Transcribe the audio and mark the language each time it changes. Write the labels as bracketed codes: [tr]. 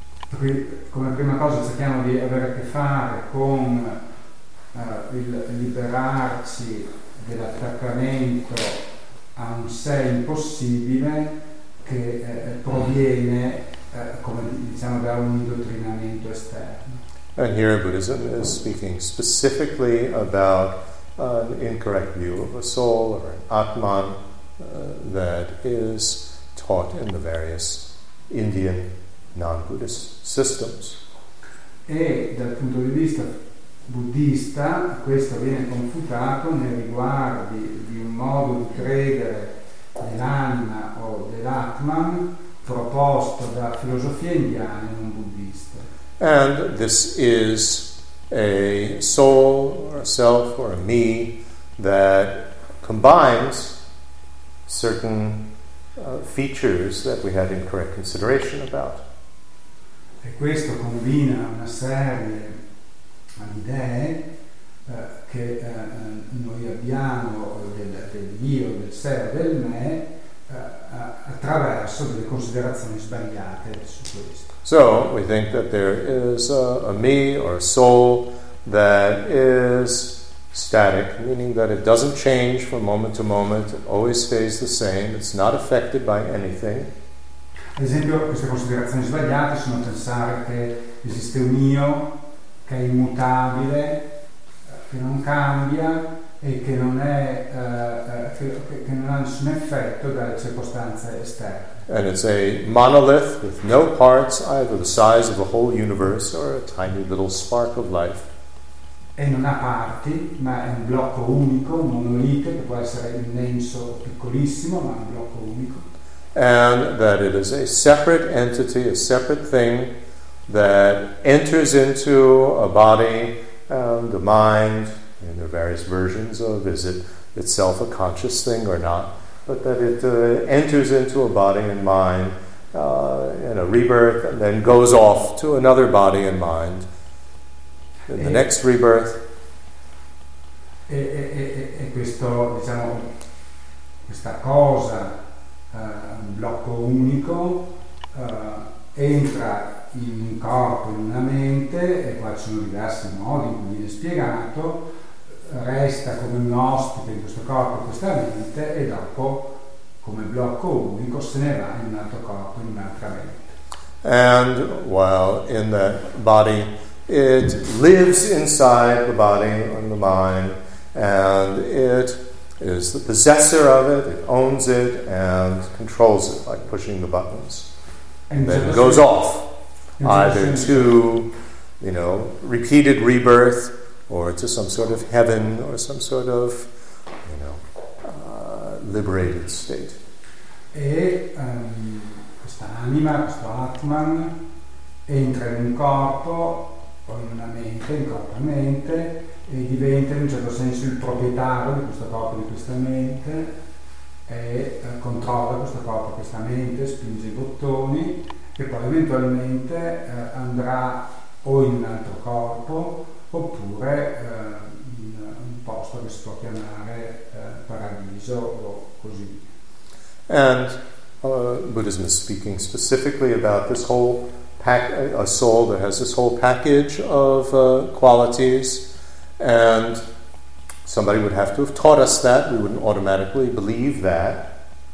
[it] Come prima cosa cerchiamo di avere a che fare con il liberarci dell'attaccamento a un sé impossibile che proviene, come diciamo, da un indottrinamento esterno. [en] And here Buddhism is speaking specifically about an incorrect view of a soul or an atman that is taught in the various Indian non-Buddhist systems. [it] E dal punto di vista buddista questo viene confutato nei riguardi di un modo di credere dell'anima o dell'atman proposto da filosofie indiane non buddhiste. [en] And this is a soul or a self or a me that combines certain features that we had incorrect consideration about. [it] E questo combina una serie di idee che noi abbiamo del io, del sé, del me attraverso delle considerazioni sbagliate su questo. [en] So we think that there is a me or a soul that is static, meaning that it doesn't change from moment to moment, it always stays the same, it's not affected by anything. [it] Ad esempio, queste considerazioni sbagliate sono pensare che esiste un io che è immutabile, che non cambia e che non è che non ha nessun effetto dalle circostanze esterne. [en] And it's a monolith with no parts, either the size of a whole universe or a tiny little spark of life. [it] E non ha parti, ma è un blocco unico, un monolite, che può essere immenso o piccolissimo, ma è un blocco unico. [en] And that it is a separate entity, a separate thing that enters into a body and a mind, in their various versions of, is it itself a conscious thing or not? But that it enters into a body and mind in a rebirth and then goes off to another body and mind in the next rebirth. [it] E questo, diciamo, questa cosa, un blocco unico, entra in un corpo, in una mente, e qua ci sono diversi modi in cui viene spiegato, resta come un ospite in questo corpo, in questa mente, e dopo, come blocco unico, se ne va in un altro corpo, in un'altra mente. [en] And while in the body, it lives inside the body and the mind, and it is the possessor of it, it owns it, and controls it, like pushing the buttons. And then it goes off, either to, you know, repeated rebirth, or to some sort of heaven, or some sort of, you know, liberated state. [it] E questa anima, questo Atman, entra in un corpo, o in una mente, in corpo e mente, e diventa in un certo senso il proprietario di questo corpo e di questa mente, e controlla questo corpo e questa mente, spinge i bottoni, e poi eventualmente andrà o in un altro corpo, oppure in un posto che si può chiamare paradiso o così. [en] And Buddhism is speaking specifically about this whole a soul that has this whole package of qualities, and somebody would have to have taught us that, we wouldn't automatically believe that.